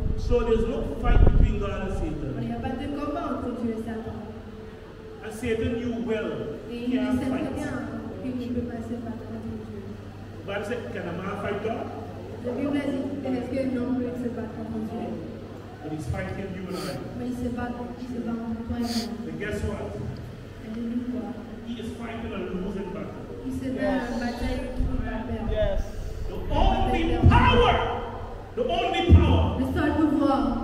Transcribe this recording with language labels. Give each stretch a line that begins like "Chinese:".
English: So there's no fight between God and Satan.
French: Il n'y a pas de combat entre Dieu et Satan.
English: And Satan knew well.
French: Et il le savait bien qu'il ne peut pas se battre contre Dieu.
English: But I said, can a man fight God? The Bible says,
French: est-ce qu'un homme peut se battre contre Dieu?
English: But he's fighting you and I.
French: Mais il se bat contre toi et moi.
English: And guess what?
French: Et dis-nous quoi?
English: He is fighting a losing battle.
French: Il se bat en bataille qui va perdre.
English: Yes. The only power! The only power!
French: Le seul pouvoir!